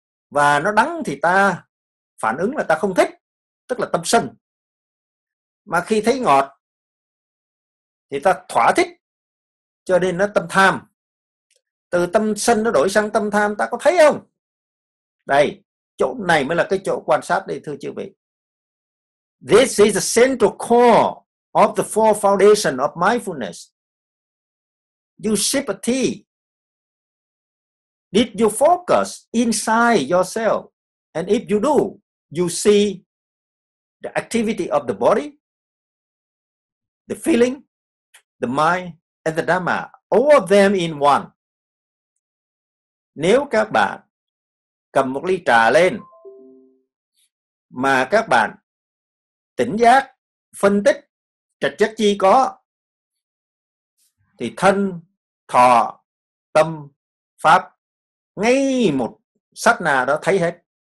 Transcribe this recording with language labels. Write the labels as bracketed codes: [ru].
[vi] Và nó đắng thì ta phản ứng là ta không thích, tức là tâm sân. Mà khi thấy ngọt thì ta thỏa thích, cho nên nó tâm tham. Từ tâm sân nó đổi sang tâm tham, ta có thấy không? Đây, chỗ này mới là cái chỗ quan sát đây thưa chư vị. [en] This is the central core of the four foundation of mindfulness. You sip a tea. Did you focus inside yourself? And if you do, you see the activity of the body, the feeling, the mind, and the Dhamma, all of them in one. [vi] Nếu các bạn cầm một ly trà lên mà các bạn tỉnh giác, phân tích trạch chất chi có, thì thân, thọ, tâm, pháp ngay một sát na đó thấy hết.